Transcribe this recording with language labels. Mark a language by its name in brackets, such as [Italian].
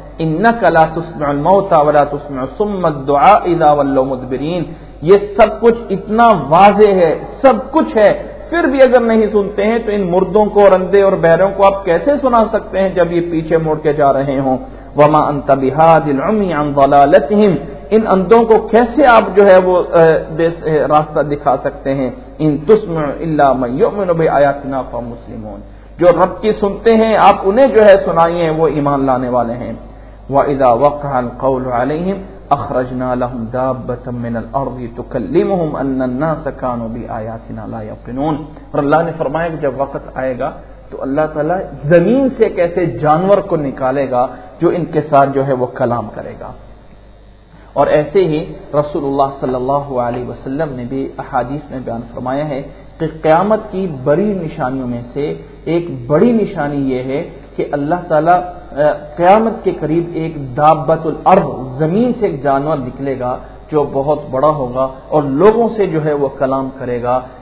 [Arabic] انک لا تسمع الموتى ولا تسمع الصم الدعاء اذا ولوا مدبرین، [Urdu] یہ سب کچھ اتنا واضح ہے، سب کچھ ہے، پھر بھی اگر نہیں سنتے ہیں تو ان مردوں کو اور اندھے اور بہروں کو آپ کیسے سنا سکتے ہیں جب یہ پیچھے مڑ کے جا رہے ہوں. [Arabic] وما انت بہاد العمی عن ضلالتہم، [Urdu] ان اندھوں کو کیسے آپ جو ہے وہ راستہ دکھا سکتے ہیں؟ [Arabic] ان تسمع الا من یؤمن بآیاتنا فهم مسلمون، [Urdu] جو رب کی سنتے ہیں آپ انہیں جو ہے سنائیے وہ ایمان لانے والے ہیں. [Arabic] واذا وقع القول عليهم اخرجنا لهم دابه من الارض تكلمهم ان الناس كانوا بآیاتنا لا يوقنون. [Urdu] اور اللہ نے فرمایا کہ جب وقت آئے گا تو اللہ تعالیٰ زمین سے کیسے جانور کو نکالے گا جو ان کے ساتھ جو ہے وہ کلام کرے گا. اور ایسے ہی رسول اللہ صلی اللہ علیہ وسلم نے بھی احادیث میں بیان فرمایا ہے کہ قیامت کی بڑی نشانیوں میں سے ایک بڑی نشانی یہ ہے کہ اللہ تعالیٰ قیامت کے قریب ایک دابت الارض، زمین سے ایک جانور نکلے گا جو بہت بڑا ہوگا اور لوگوں سے جو ہے وہ کلام کرے گا.